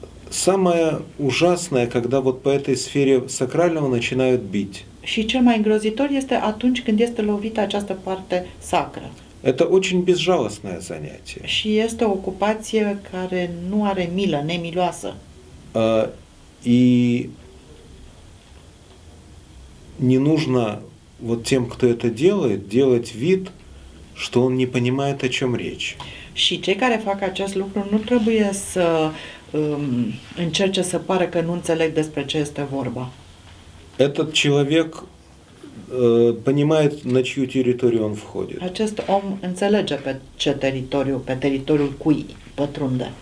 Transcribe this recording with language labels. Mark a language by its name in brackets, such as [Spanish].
[Russian] Самое ужасное, когда вот по этой сфере сакрального начинают бить. [Romanian] Și cel mai îngrozitor este atunci când este lovită această parte sacră. [Russian] Это очень безжалостное занятие. [Romanian] Și este o ocupație care nu are milă, nemiloasă. [Russian] И не нужно вот тем, кто это делает, делать вид, что он не понимает, о чем речь. [Romanian] Și cei care fac acest lucru nu trebuie să încerce să pară că nu înțeleg despre ce este vorba. [Russian] Этот человек понимает, на чью территорию он входит. [Romanian] Acest om înțelege pe ce teritoriu, pe teritoriul cui pătrunde.